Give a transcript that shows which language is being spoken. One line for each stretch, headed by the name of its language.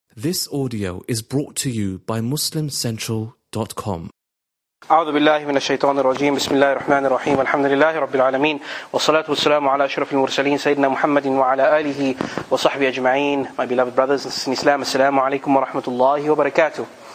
English: This audio is brought to you by MuslimCentral.com.
Arabic: أعوذ بالله من الشيطان الرجيم بسم الله الرحمن الرحيم الحمد لله رب العالمين والصلاة والسلام على أشرف المرسلين سيدنا محمد وعلى آله وصحبه أجمعين.
English: My beloved brothers and sisters in Islam,
Arabic: السلام عليكم ورحمة الله وبركاته.